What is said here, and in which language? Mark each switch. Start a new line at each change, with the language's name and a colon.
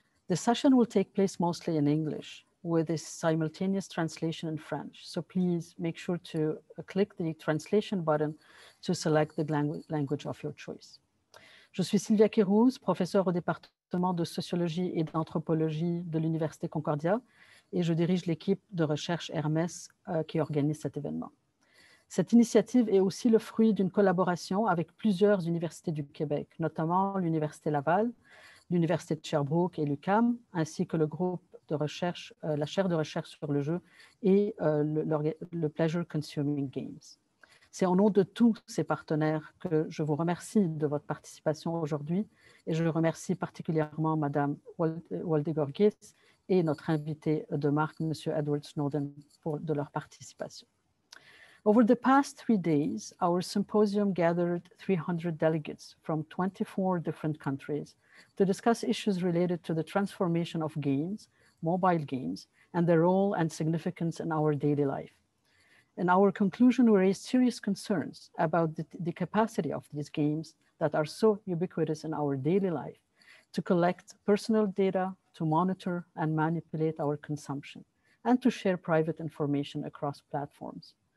English: The session will take place mostly in English with a simultaneous translation in French. So please make sure to click the translation button to select the language of your choice.
French: Je suis Sylvia Quérouz, professeure au département de sociologie et d'anthropologie de l'Université Concordia, et je dirige l'équipe de recherche Hermès qui organise cet événement. Cette initiative est aussi le fruit d'une collaboration avec plusieurs universités du Québec, notamment l'Université Laval, l'Université de Sherbrooke et l'UQAM, ainsi que le groupe de recherche, la chaire de recherche sur le jeu et le Pleasure Consuming Games. C'est au nom de tous ces partenaires que je vous remercie de votre participation aujourd'hui et je remercie particulièrement Madame Wolde-Giorghis et notre invité de marque, Monsieur Edward Snowden, pour de leur participation.
English: Over the past 3 days, our symposium gathered 300 delegates from 24 different countries to discuss issues related to the transformation of games, mobile games, and their role and significance in our daily life. In our conclusion, we raised serious concerns about the capacity of these games that are so ubiquitous in our daily life to collect personal data, to monitor and manipulate our consumption, and to share private information across platforms.